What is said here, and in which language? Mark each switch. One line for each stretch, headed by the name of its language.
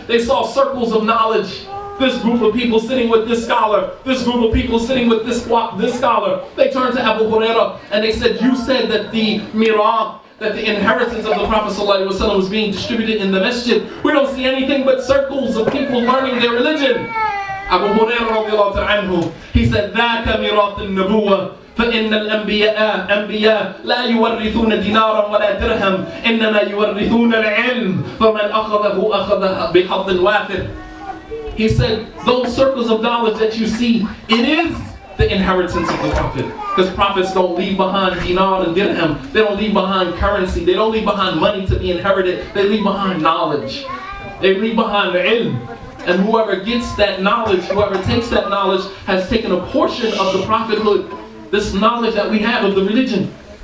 English: They saw circles of knowledge. This group of people sitting with this scholar. This group of people sitting with this scholar. They turned to Abu Hurairah, and they said, you said that the mirah, that the inheritance of the Prophet sallallahu alaihi wasallam was being distributed in the masjid. We don't see anything but circles of people learning their religion. Abu Hurairah radiallahu ta'ala anhu, he said,
Arabic: ذَاكَ مِرَاثِ النَّبُوَّةِ فَإِنَّ الْأَنْبِيَاءَ لَا يُوَرِّثُونَ دِنَارًا وَلَا دِرْهَمًا إِنَّمَا يُوَرِّثُونَ الْعِلْمَ فَمَنْ أَخَذَهُ أَخَذَهُ بِحَظٍّ وَافِرٍ.
English: He said, those circles of knowledge that you see, it is the inheritance of the Prophet. Because prophets don't leave behind dinar and dirham. They don't leave behind currency. They don't leave behind money to be inherited. They leave behind knowledge. They leave behind ilm. And whoever gets that knowledge, whoever takes that knowledge, has taken a portion of the prophethood, this knowledge that we have of the religion.